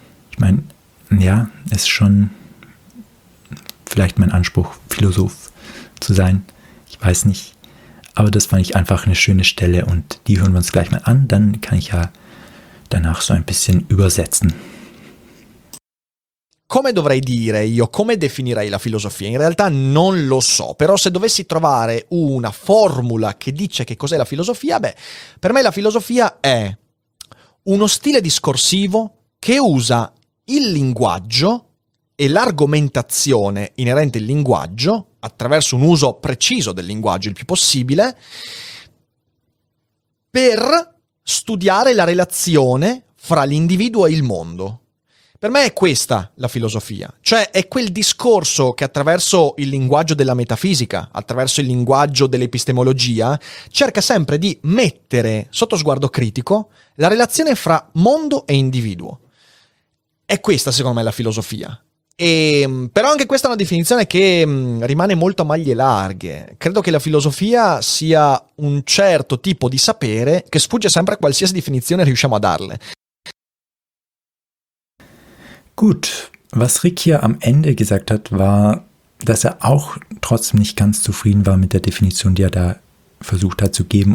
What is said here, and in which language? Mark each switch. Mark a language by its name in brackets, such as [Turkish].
[German] Ich meine, ja, es ist schon vielleicht mein Anspruch, Philosoph zu sein. Ich weiß nicht. Aber das fand ich einfach eine schöne Stelle und die hören wir uns gleich mal an. Dann kann ich ja danach so ein bisschen übersetzen. [Italian] Come dovrei dire io, come definirei la filosofia? In realtà non lo so, però se dovessi trovare una formula che dice che cos'è la filosofia, beh, per me la filosofia è uno stile discorsivo che usa il linguaggio e l'argomentazione inerente al linguaggio attraverso un uso preciso del linguaggio il più possibile per studiare la relazione fra l'individuo e il mondo. Per me è questa la filosofia, cioè è quel discorso che attraverso il linguaggio della metafisica, attraverso il linguaggio dell'epistemologia, cerca sempre di mettere sotto sguardo critico la relazione fra mondo e individuo. È questa, secondo me, la filosofia. E, però anche questa è una definizione che rimane molto a maglie larghe. Credo che la filosofia sia un certo tipo di sapere che sfugge sempre a qualsiasi definizione riusciamo a darle. [German] Gut, was Rick hier am Ende gesagt hat, war, dass er auch trotzdem nicht ganz zufrieden war mit der Definition, die er da versucht hat zu geben.